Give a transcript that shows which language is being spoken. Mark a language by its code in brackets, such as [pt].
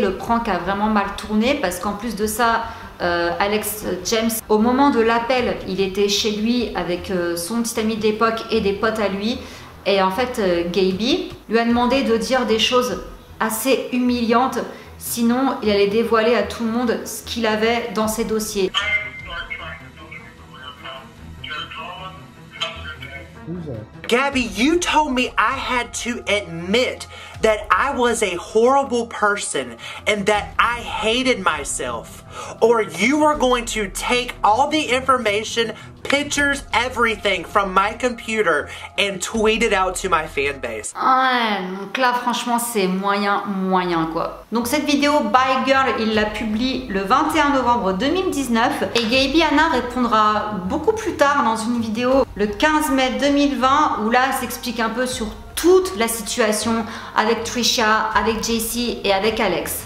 [fr] Le prank a vraiment mal tourné parce qu'en plus de ça, Alex James, au moment de l'appel, il était chez lui avec son petit ami d'époque et des potes à lui. Et en fait, Gaby lui a demandé de dire des choses assez humiliantes. Sinon, il allait dévoiler à tout le monde ce qu'il avait dans ses dossiers. [en] Gaby, you told me I had to admit that I was a horrible person and that I hated myself. Or you were going to take all the information, pictures, everything from my computer and tweet it out to my fan base. [fr] Ouais, donc là franchement c'est moyen, moyen quoi. Donc cette vidéo, Bye Girl, il la publie le 21 novembre 2019 et Gaby Hanna répondra beaucoup plus tard dans une vidéo le 15 mai 2020 où là elle s'explique un peu sur toute la situation avec Trisha, avec Jessie et avec Alex.